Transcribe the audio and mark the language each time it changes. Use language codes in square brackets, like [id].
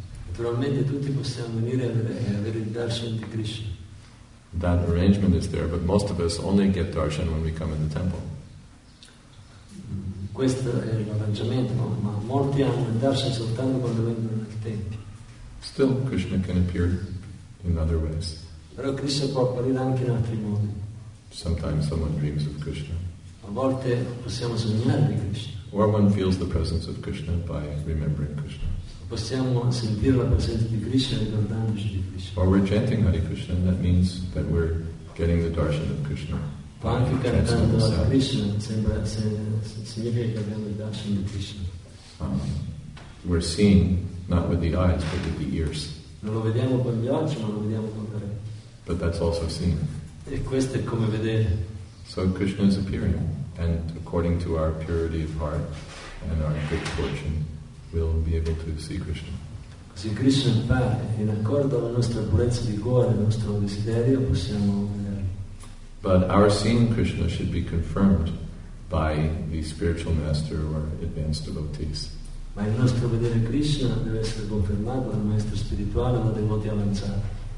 [it] Naturalmente tutti possiamo venire e avere il darshan di Krishna. [en] That arrangement is there, but most of us only get darshan when we come in the temple. [it] Questo è l'arrangiamento, ma molti hanno il darshan soltanto quando vengono nel tempio. [en] Still, Krishna can appear in other ways. [it] Però Krishna può apparire anche in altri modi. [en] Sometimes someone dreams of Krishna. [it] A volte possiamo sognare di Krishna. [en] Or one feels the presence of Krishna by remembering Krishna. [it] Possiamo sentire la presenza di Krishna ricordandoci di Krishna. [en] Or we're chanting Hare Krishna, that means that we're getting the darshan of Krishna. [it] Ma anche cantando Hare Krishna sembra significa che abbiamo il darshan di Krishna. [en] We're seeing not with the eyes but with the ears. [it] Non lo vediamo con gli occhi ma lo vediamo con le orecchie. [en] But that's also seen. [it] E questo è come vedere. [en] So Krishna is appearing, and according to our purity of heart and our good fortune, we'll be able to see Krishna. [it] Così Krishna appare in accordo alla nostra purezza di cuore, al nostro desiderio, possiamo vederlo. [en] But our seeing Krishna should be confirmed by the spiritual master or advanced devotees. [it] Ma il nostro vedere Krishna deve essere confermato dal maestro spirituale o da devoti avanzati.